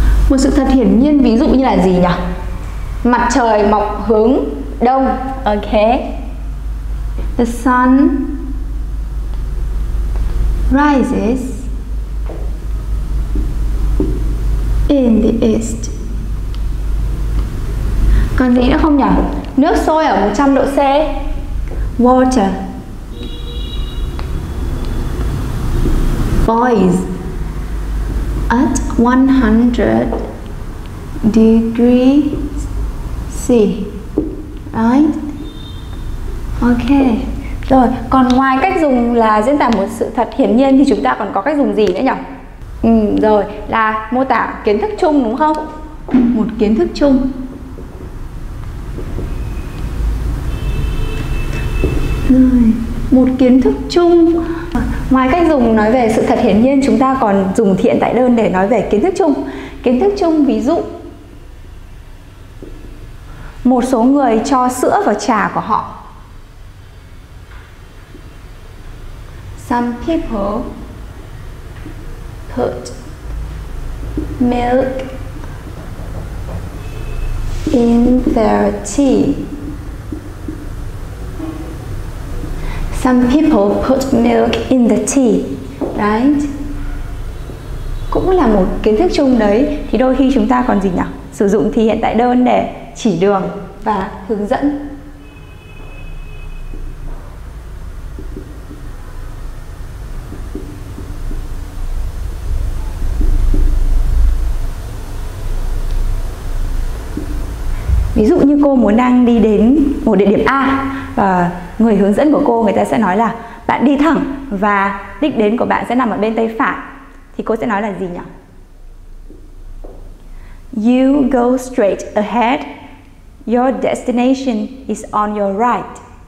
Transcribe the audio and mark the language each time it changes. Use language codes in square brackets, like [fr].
[vi] Một sự thật hiển nhiên ví dụ như là gì nhỉ? Mặt trời mọc hướng đông. [en] Ok. The sun rises in the east. [vi] Còn gì nữa không nhỉ? Nước sôi ở 100 độ C. [en] Water boils at 100 degrees C. Right. Ok. [vi] Rồi, còn ngoài cách dùng là diễn tả một sự thật hiển nhiên thì chúng ta còn có cách dùng gì nữa nhỉ? Rồi, là mô tả kiến thức chung đúng không? Một kiến thức chung. Rồi, một kiến thức chung. Ngoài cách dùng nói về sự thật hiển nhiên, chúng ta còn dùng thì hiện tại đơn để nói về kiến thức chung. Kiến thức chung ví dụ: một số người cho sữa vào trà của họ. [en] Some people put milk in their tea. Some people put milk in the tea, right? [vi] Cũng là một kiến thức chung đấy. Thì đôi khi chúng ta còn gì nhỉ? Sử dụng thì hiện tại đơn để chỉ đường và hướng dẫn. Ví dụ như cô muốn đang đi đến một địa điểm A và người hướng dẫn của cô, người ta sẽ nói là bạn đi thẳng và đích đến của bạn sẽ nằm ở bên tay phải, thì cô sẽ nói là gì nhỉ? [en] You go straight ahead. Your destination is on your right.